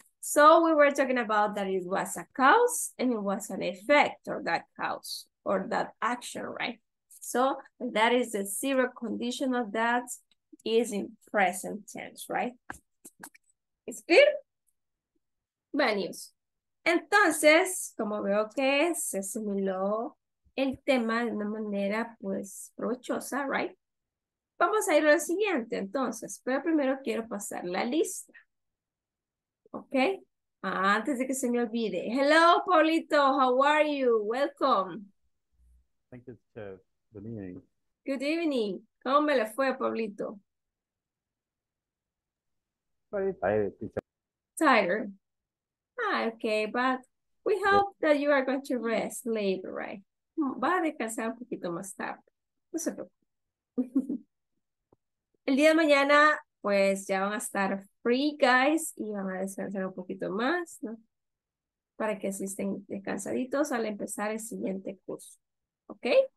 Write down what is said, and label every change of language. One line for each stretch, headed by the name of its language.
English: So we were talking about that it was a cause and it was an effect or that cause or that action, right? So that is the zero conditional that is in present tense, right? It's clear? Venues.
Spanish: Entonces, como veo que se asimiló el tema de una manera pues provechosa, right? Vamos a ir al siguiente entonces, pero primero quiero pasar la lista. Okay. Antes de que se me olvide. Hello, Paulito.
English: How are you? Welcome. Thank you, Chef. Good evening. Good evening.
Spanish: ¿Cómo me le fue, Paulito?
English: Very tired, teacher. Tired. Ah, okay, but we hope that you are going to rest later, right?
Spanish: Va a descansar un poquito más tarde. No se preocupe. El día de mañana, pues ya van a estar free, guys, y van a descansar un poquito más, ¿no? Para que así estén descansaditos al empezar el siguiente curso, ¿ok?